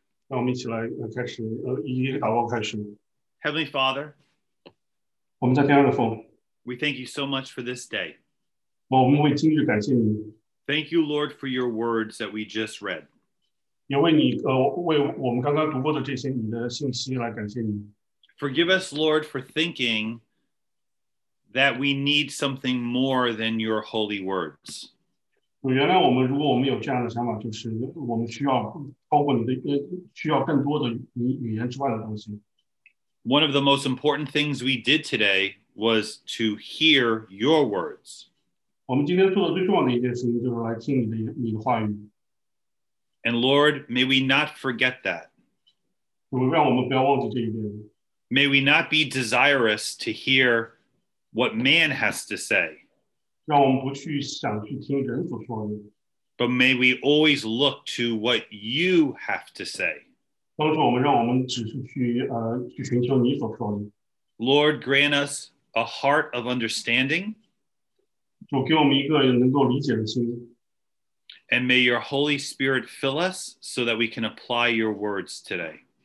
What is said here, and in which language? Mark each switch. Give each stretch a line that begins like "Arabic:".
Chinese: 让我们一起来开始以一个祷告开始。
English: Heavenly Father,
Chinese: 我们在天上的父。
English: We thank you so much for this day.
Chinese: 我们为今日感谢你。
English: Thank you, Lord, for your words that we just read.
Chinese: 也为你，为我们刚刚读过的这些你的信息来感谢你。
English: Forgive us, Lord, for thinking that we need something more than your holy words.
Chinese: 原谅我们，如果我们有这样的想法，就是我们需要包括你的，需要更多的你语言之外的东西。
English: One of the most important things we did today was to hear your words.
Chinese: 我们今天做的最重要的一件事情就是来听你的话语。
English: And Lord, may we not forget that.
Chinese: 让我们不要忘记这一点。
English: May we not be desirous to hear what man has to say.
Chinese: 让我们不去想去听人所说的。
English: But may we always look to what you have to say.
Chinese: 帮助我们，让我们只是去，去寻求你所说的。
English: Lord, grant us a heart of understanding.
Chinese: 主给我们一个能够理解的心。
English: And may your Holy Spirit fill us so that we can apply your words today.